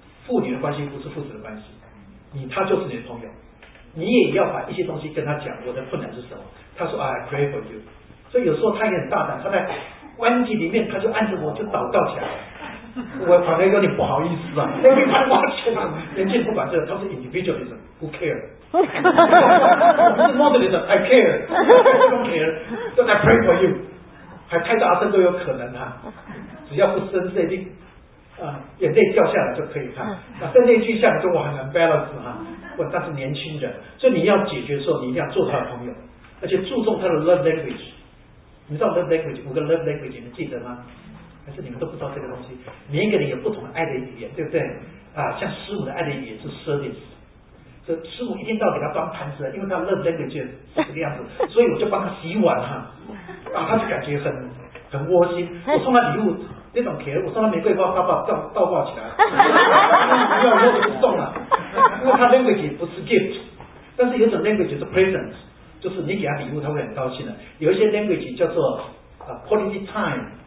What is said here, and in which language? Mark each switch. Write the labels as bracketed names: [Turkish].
[Chinese] 父女的关系不是父子的关系，他就是你的朋友，你也要把一些东西跟他讲，我的困难是什么？他说 [English] I pray for you， [Chinese] 所以有时候他也很大胆，他在关机里面他就按着我就祷告起来，我反正有点不好意思啊，因为他完全眼睛不管这个，他是 [English] individualism， who care，是 moderate， I care， I don't care， but I pray for you。 [Chinese] 还太大声都有可能啊，只要不生气，你眼泪掉下来就可以看。那在那句下来就我很难 balance 哈、啊，我他是年轻人，所以你要解决的时候，你一定要做他的朋友，而且注重他的 love language。你知道 love language 五个 love language 你们记得吗？还是你们都不知道这个东西？每一个人有不同的爱的语言，对不对？啊，像师母的爱的语言是 service。这师母一天到给他端盘子，因为他认真的就是这个样子，所以我就帮他洗碗哈、啊，啊，他就感觉很窝心。我送他礼物那种甜，我送他玫瑰花，他把倒挂起来，要我就不送了、啊，因为他 language 不是 gift， 但是有种 language 是 present， 就是你给他礼物，他会很高兴的。有一些 language 叫做quality time。